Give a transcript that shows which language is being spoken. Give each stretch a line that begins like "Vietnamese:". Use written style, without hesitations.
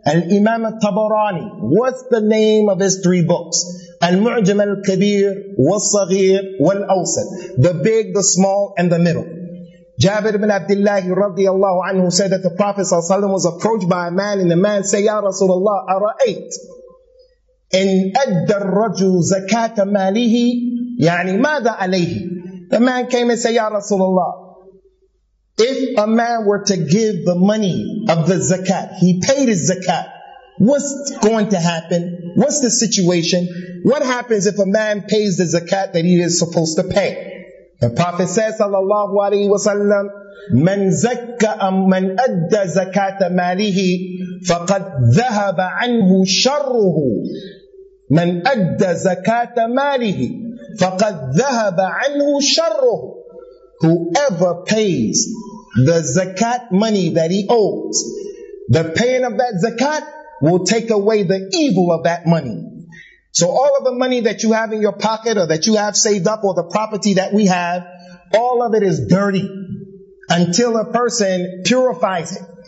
English: Al-Imam al-Tabarani, what's the name of his three books? Al-Mu'jam al-Kabir, wal-Saghir, wal-Awsat. The big, the small, and the middle. Jabir ibn Abdullah radiallahu anhu said that the Prophet sallallahu alayhi wa sallam was approached by a man, and the man said, Ya Rasulullah, ara'ayt.
Arabic: إن أدى الرجل زكاة ماله يعني ماذا عليه.
English: The man came and said, Ya Rasulullah, if a man were to give the money of the zakat, he paid his zakat, what's going to happen? What's the situation? What happens if a man pays the zakat that he is supposed to pay? The Prophet says, sallallahu alayhi wa sallam,
Arabic: من زكى من أدى زكاة ماله فقد ذهب عنه شره. من أدى زكاة ماله فقد ذهب عنه شره.
English: Whoever pays the zakat money that he owes, the paying of that zakat will take away the evil of that money. So all of the money that you have in your pocket, or that you have saved up, or the property that we have, all of it is dirty until a person purifies it.